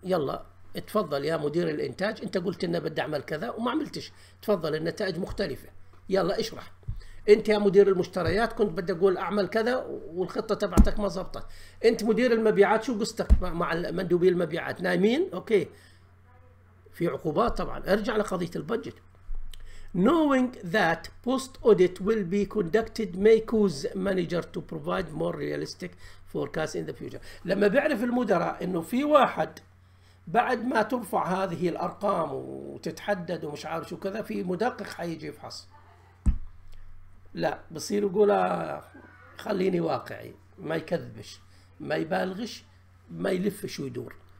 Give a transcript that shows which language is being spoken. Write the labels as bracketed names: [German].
[Arabic] يلا اتفضل يا مدير الانتاج، انت قلت اني بدي اعمل كذا وما عملتش، تفضل النتائج مختلفه، يلا اشرح. انت يا مدير المشتريات كنت بدي اقول اعمل كذا والخطه تبعتك ما زبطت، انت مدير المبيعات شو قصتك مع مندوبي المبيعات نايمين؟ اوكي في عقوبات طبعا. ارجع لقضيه البادجت. [English] Knowing that post audit will be conducted may cause manager to provide more realistic forecast in the future. [Arabic] لما بيعرف المدراء انه في واحد بعد ما ترفع هذه الارقام وتتحدد ومش عارف شو كذا في مدقق حيجي يفحص. لا بصير يقول خليني واقعي، ما يكذبش، ما يبالغش، ما يلفش ويدور.